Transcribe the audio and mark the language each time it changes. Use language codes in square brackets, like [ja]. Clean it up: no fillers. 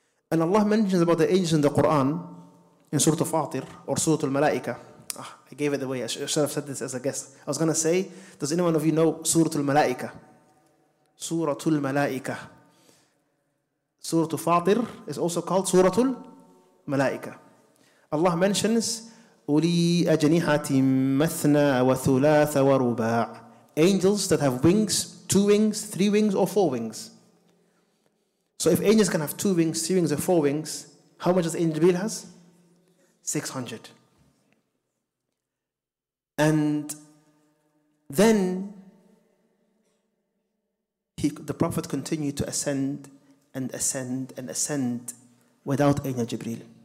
[en] And Allah mentions about the angels in the Quran, in Surah Al-Fatir or Surah Al-Malaika. I gave it away. I should have said this as a guest. I was going to say, does anyone of you know Surah Al-Malaika? Surah Al-Malaika. Surah Al-Fatir is also called Surah Al-Malaika. Allah mentions, [ar] أُولِي أَجْنِحَةٍ مَثْنَى وَثُلَاثَ وَرُبَاعَ. [en] Angels that have wings, two wings, three wings, or four wings. So if angels can have two wings, three wings, or four wings, how much does Angel Jibril has? 600. And then the Prophet continued to ascend and ascend and ascend without Angel Jibril.